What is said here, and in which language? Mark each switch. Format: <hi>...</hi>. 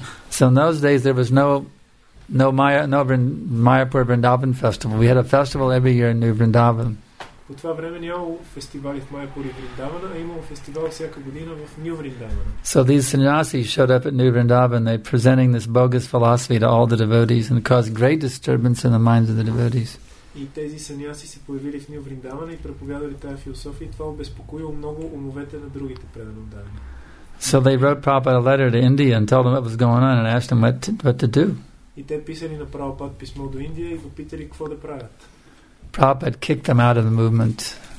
<en>So in those days there was no Mayapur Vrindavan festival. We had a festival every year in New Vrindavan.</en> <bg>От това време нямало фестивали в Майпур и Вриндавана, а имало фестивал всяка година в Ню Вриндавана.</bg> <en>So these sannyasis showed up at New Vrindavan, they presenting this bogus philosophy to all the devotees and caused great disturbance in the minds of the devotees.</en> <bg>И тези сънняси се появили в Ню Вриндавана и проповядали тая философия, и това обезпокоило много умовете на другите преданодавани.</bg> <en>So they wrote Prabhupada a letter to India and told them what was going on and asked them what to do.</en> <bg>И те писали на Прабхупада писмо до Индия и го питали какво да правят.</bg> <en>Prabhupada kicked them out of the movement.</en>